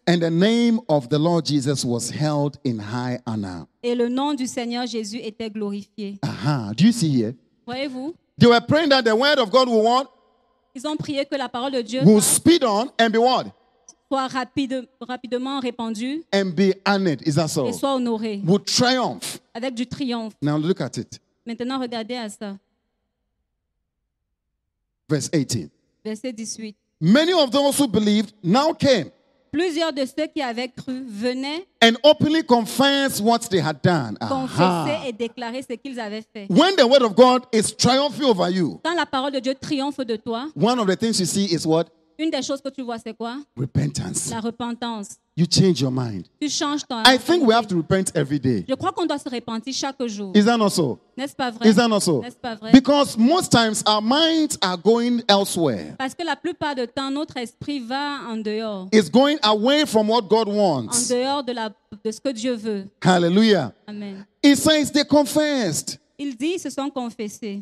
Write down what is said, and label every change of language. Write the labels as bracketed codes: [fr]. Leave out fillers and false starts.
[en] And the name of the Lord Jesus was held in high honor. [fr] Et le nom du Seigneur Jésus était glorifié. [en] Do you see here? [fr] Voyez-vous? [en] They were praying that the word of God will what? [fr] Ils ont prié que la parole de Dieu [en] will speed on and be what? [fr] Soit rapidement répandu. [en] And be honored, is that so? [fr] Et soit honoré. [en] Would triumph. [fr] Avec du triomphe. [en] Now look at it. [fr] Maintenant regardez à ça. Verset 18. [en] Many of those who believed now came. [fr] Plusieurs de ceux qui avaient cru venaient. [en] And openly confessed what they had done. [fr] Confessaient et déclaraient ce qu'ils avaient fait. [en] When the word of God is triumphing over you. [fr] Quand la parole de Dieu triomphe de toi. [en] One of the things you see is what? [fr] Une des choses que tu vois, c'est quoi? [en] Repentance. [fr] La repentance. [en] You change your mind. [fr] Tu changes ton I esprit. [en] Think we have to repent every day. [fr] Je crois qu'on doit se repentir chaque jour. [en] Is that not so? [fr] N'est-ce pas vrai? [en] Is that not so? [fr] N'est-ce pas vrai? [en] Because most times our minds are going elsewhere. [fr] Parce que la plupart de temps, notre esprit va en dehors. [en] It's going away from what God wants. [fr] En dehors de, la, de ce que Dieu veut. Hallelujah. Amen. [en] It says they confessed. [fr] Ils disent, se sont confessés.